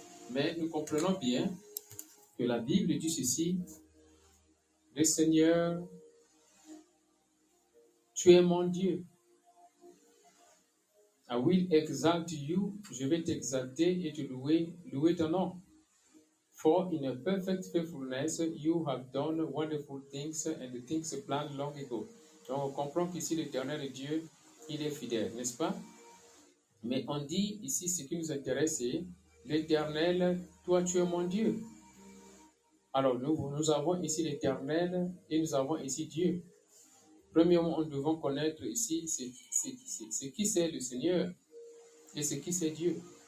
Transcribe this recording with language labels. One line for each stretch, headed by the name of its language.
French: Mais nous comprenons bien que la Bible dit ceci. Le Seigneur, tu es mon Dieu.
English: I will exalt you,
French: je vais t'exalter et te louer ton nom.
English: For in a perfect faithfulness, you have done wonderful things and the things planned long ago.
French: Donc on comprend qu'ici l'Éternel est Dieu, il est fidèle, n'est-ce pas? Mais on dit ici ce qui nous intéresse, c'est l'Éternel, toi tu es mon Dieu. Alors nous avons ici l'Éternel et nous avons ici Dieu. Premièrement, nous devons connaître ici c'est qui c'est le Seigneur et c'est qui c'est Dieu.